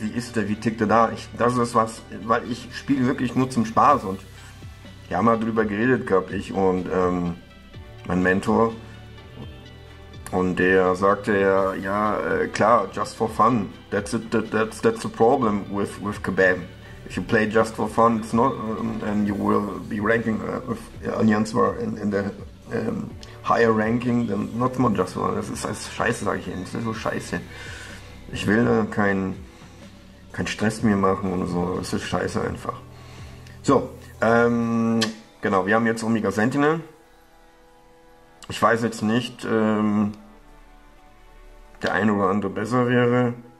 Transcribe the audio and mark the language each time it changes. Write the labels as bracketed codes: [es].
[de] Wie ist der? Wie tickt er da? Das ist was, weil ich spiele wirklich nur zum Spaß und wir haben mal halt drüber geredet gehabt, ich und mein Mentor. Und der sagte ja, ja, klar, [en] just for fun. That's the problem with Kabam. If you play just for fun, it's not, and you will be ranking with Allianz war in the higher ranking, then not more just for fun. [de] Das ist alles scheiße, sag ich Ihnen. Das ist so scheiße. Ich will kein Stress mehr machen und so. Das ist scheiße einfach. So, genau, wir haben jetzt Omega Sentinel. Ich weiß jetzt nicht, der eine oder andere besser wäre.